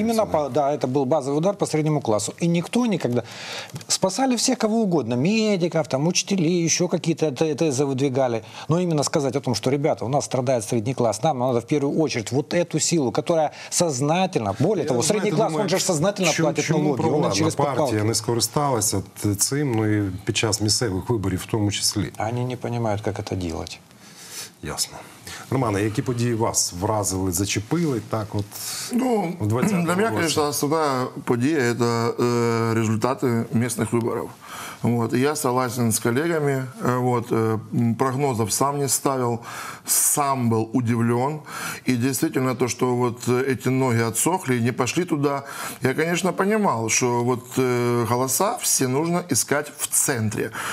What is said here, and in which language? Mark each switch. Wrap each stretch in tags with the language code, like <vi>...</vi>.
<ru>Именно, да, это был базовый удар по среднему классу. И никто никогда... Спасали всех, кого угодно. Медиков, там, учителей, еще какие-то тезы выдвигали. Но именно сказать о том, что, ребята, у нас страдает средний класс, нам надо в первую очередь вот эту силу, которая сознательно... Более того, средний класс, он же сознательно платит налоги.</ru> <uk>Чому партія не скористалася цим, ну и під час місцевих виборів в тому числі?</uk> <ru>Они не понимают, как это делать. Ясно.</ru> <uk>Романе, які події вас вразили, зачепили, так от, ну, в 20-му для мене, звісно, основна подія – це результати місцевих виборів.</uk> <ru>Вот. Я согласен с коллегами, вот. Прогнозов сам не ставил, сам был удивлен. И действительно то, что вот эти ноги отсохли и не пошли туда, я, конечно, понимал, что вот голоса все нужно искать в центре.</ru>